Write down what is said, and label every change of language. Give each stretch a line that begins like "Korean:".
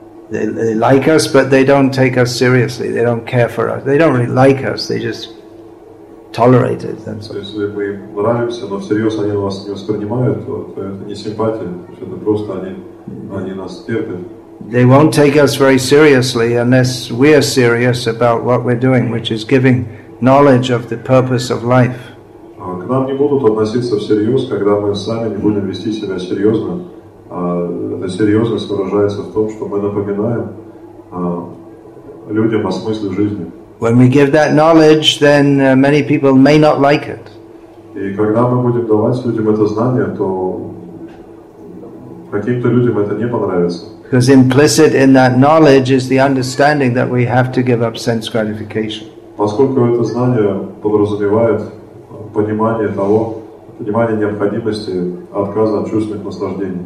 English: They like us, but they don't take us seriously. They don't care for us. They don't really like us. They just tolerate it.
Russian: Если мы нравимся, но всерьез они нас не воспринимают, то это не симпатия. Это просто они нас терпят.
English: They won't take us very seriously unless we are serious about what we're doing, which is giving knowledge of the purpose of life.
Russian: К нам не будут относиться всерьез, когда мы сами не будем вести себя серьезно. Эта серьезность выражается в том, что мы напоминаем людям о смысле жизни.
English: When we give that knowledge, then many people may not like it.
Russian: И когда мы будем давать людям это знание, то каким-то людям это не понравится.
English: Because implicit in that knowledge is the understanding that we have to give up sense gratification.
Russian: Поскольку это знание подразумевает понимание необходимости отказа от чувственных наслаждений.